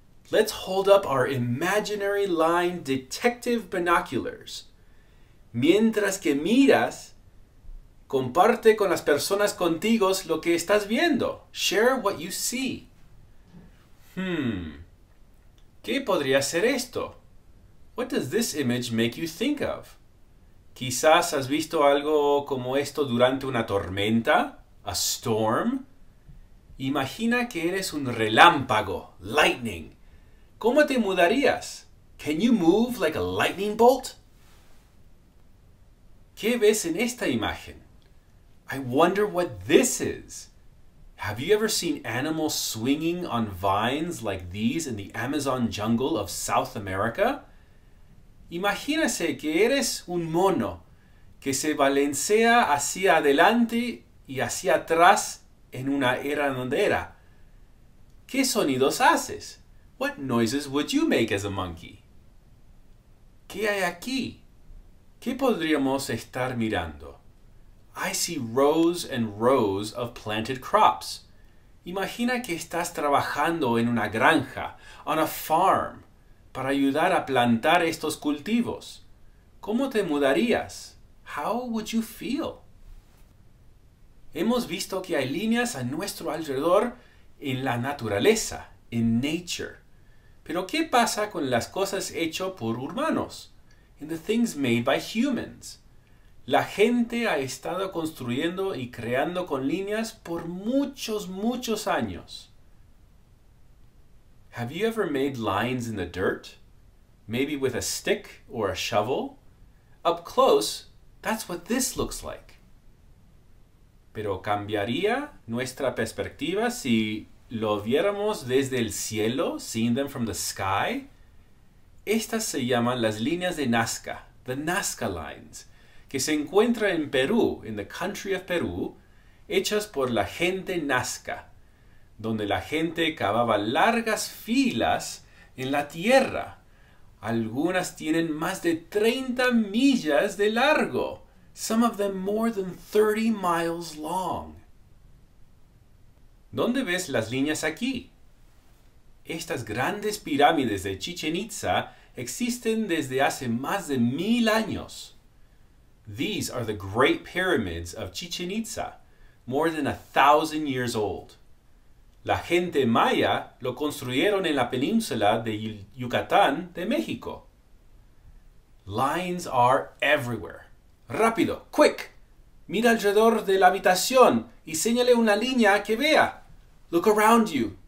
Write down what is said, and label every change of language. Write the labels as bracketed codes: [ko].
[en] Let's hold up our imaginary line detective binoculars. [es] Mientras que miras, comparte con las personas contigo lo que estás viendo. [en] Share what you see. [es] ¿Qué podría ser esto? [en] What does this image make you think of? [es] Quizás has visto algo como esto durante una tormenta, [en] a storm. [es] Imagina que eres un relámpago, [en] lightning. [es] ¿Cómo te mudarías? [en] Can you move like a lightning bolt? [es] ¿Qué ves en esta imagen? [en] I wonder what this is. Have you ever seen animals swinging on vines like these in the Amazon jungle of South America? [es] Imagínese que eres un mono que se balancea hacia adelante y hacia atrás en una arandela. ¿Qué sonidos haces? [en] What noises would you make as a monkey? [es] ¿Qué hay aquí? ¿Qué podríamos estar mirando? [en] I see rows and rows of planted crops. [es] Imagina que estás trabajando en una granja, [en] on a farm, [es] para ayudar a plantar estos cultivos. ¿Cómo te mudarías? [en] How would you feel? [es] Hemos visto que hay líneas a nuestro alrededor en la naturaleza, [en] in nature. [es] Pero ¿qué pasa con las cosas hechas por humanos? [en] In the things made by humans. [es] La gente ha estado construyendo y creando con líneas por muchos, muchos años. [en] Have you ever made lines in the dirt? Maybe with a stick or a shovel? Up close, that's what this looks like. [es] Pero ¿cambiaría nuestra perspectiva si lo viéramos desde el cielo, [en] seeing them from the sky? [es] Estas se llaman las líneas de Nazca, [en] the Nazca lines, [es] que se encuentra en Perú, [en] in the country of Peru, [es] hechas por la gente Nazca, donde la gente cavaba largas filas en la tierra. Algunas tienen más de 30 millas de largo. [en] Some of them more than 30 miles long. [es] ¿Dónde ves las líneas aquí? Estas grandes pirámides de Chichen Itza existen desde hace más de 1,000 años. [en] These are the Great Pyramids of Chichen Itza, more than 1,000 years old. [es] La gente maya lo construyeron en la península de Yucatán de México. [en] Lines are everywhere. [es] ¡Rápido! [en] ¡Quick! [es] Mira alrededor de la habitación y señale una línea que vea. [en] Look around you.